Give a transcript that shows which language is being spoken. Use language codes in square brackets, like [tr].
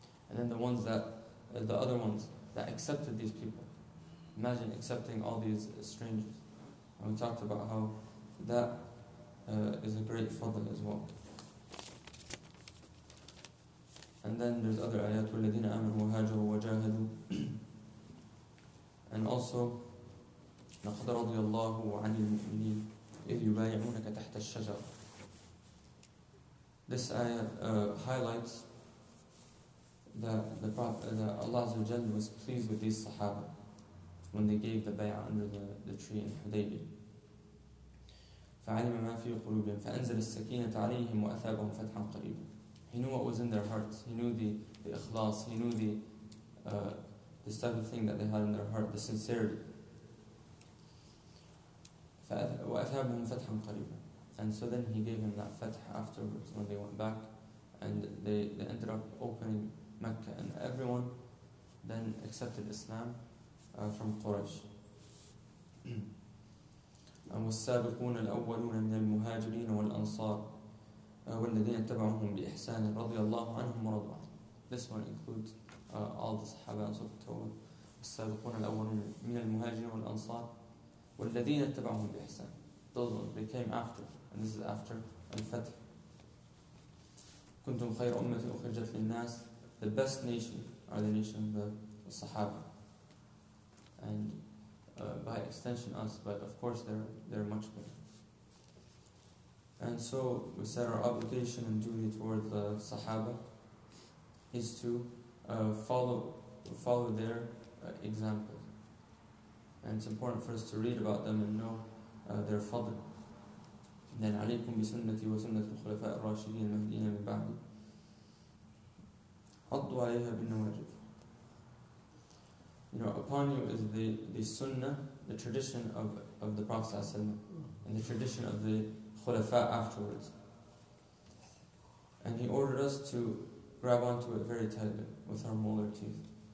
[en] And then the other ones that accepted these people. Imagine accepting all these strangers. And we talked about how that is a great fadl as well. And then there's other ayat, [ar] وَالَّذِينَ آمَنُوا وَهَاجَرُوا وَجَاهَدُوا. [en] And also, [ar] لقد رضي الله عن المؤمنين إذ يبايعونك تحت الشجرة. [en] This ayah highlights that Allah Azza wa Jalla was pleased with these Sahaba when they gave the bay'ah under the tree in Hudaybiyah. [ar] فعلم ما في قلوبهم فأنزل السكينة عليهم وأثابهم فتحا قريبا. [en] He knew what was in their hearts. He knew the ikhlas. He knew this type of thing that they had in their heart, the sincerity. [ar] وَأَثَابُهُمْ فَتْحًا قَرِيبًا. [en] And so then he gave him that fatḥ afterwards when they went back, and they ended up opening Mecca, and everyone then accepted Islam from Quraysh. [ar] وَالسَّابِقُونَ الْأَوَّلُونَ مِنَ الْمُهَاجِرِينَ وَالْأَنصَارِ وَالَّذِينَ اتَّبَعُهُمْ بِإِحْسَانٍ رَضِيَ اللَّهُ عَنْهُمْ وَرَضُوا عَنْهُ. [en] This one includes all the Sahaba and Sufi Tawwab. [ar] وَالسَّابِقُونَ الْأَوَّلُونَ مِنَ الْمُهَاجِرِينَ وَالْأَنصَارِ والذين اتبعهم بإحسان. [en] Those ones, they came after, and this is after الفتح. [ar] كنتم خير أمة أخرجت للناس. [en] The best nation are the nation of the Sahaba, and by extension us, but of course they're much better. And so we set our obligation and duty toward the Sahaba is to follow their example. And it's important for us to read about them and know their fadl. Then [ar] عليكم بسنتي وسنة الخلفاء الراشدين المهديين من بعدي عضوا عليها بالنواجذ. [en] You know, upon you is the sunnah, the tradition of the Prophet صلى الله عليه وسلم, and the tradition of the خلفاء afterwards. And he ordered us to grab onto it very tightly with our molar teeth.